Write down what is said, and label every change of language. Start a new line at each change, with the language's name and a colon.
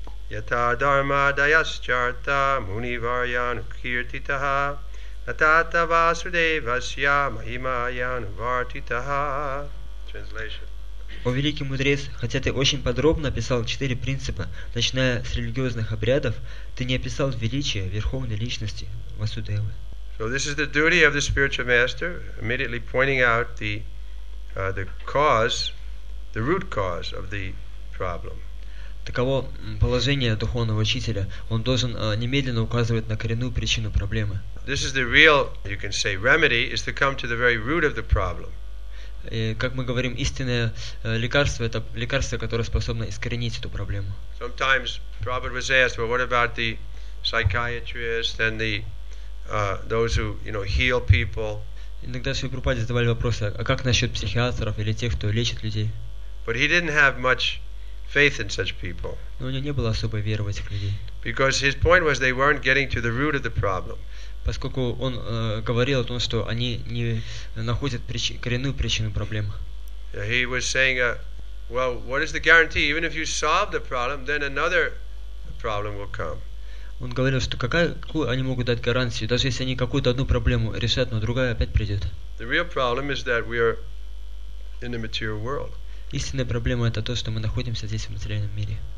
Sanskrit: Yata dharma dayascharta munivaryanu kirtitaha, natata vasudevasya mahimayanu vartitaha.
English: Translation.
Russian: О, великий мудрец, хотя ты очень подробно описал четыре принципа, начиная с религиозных обрядов, ты не описал величие Верховной Личности Васудевы.
English: So this is the duty of the spiritual master, immediately pointing out the cause, the root cause of the problem.
Russian: Таково положение духовного учителя. Он должен немедленно указывать на коренную причину проблемы.
English: This is the real, you can say, remedy is to come to the very root of the problem.
Russian: И, как мы говорим, истинное лекарство — это лекарство, которое способно искоренить эту проблему.
English: Sometimes Prabhupada was asked, well, what about the psychiatrist and the those who, you know, heal people?
Russian: Иногда Шри Прабхупаде задавали вопросы, а как насчет психиатров или тех, кто лечит людей?
English: But he didn't have much faith in such people.
Russian: Но у него не было особой веры в этих людей.
English: Because his point was they weren't getting to the root of the problem.
Russian: Поскольку он говорил о том, что они не находят коренную причину проблем.
English: He was saying, well, what is the guarantee? Even if you solve the problem, then another problem will come.
Russian: Он говорил, что какую они могут дать гарантию, даже если они какую-то одну проблему решат, но другая опять придет.
English: The real problem is that we are in the material world.
Russian: Истинная проблема — это то, что мы находимся здесь, в материальном мире.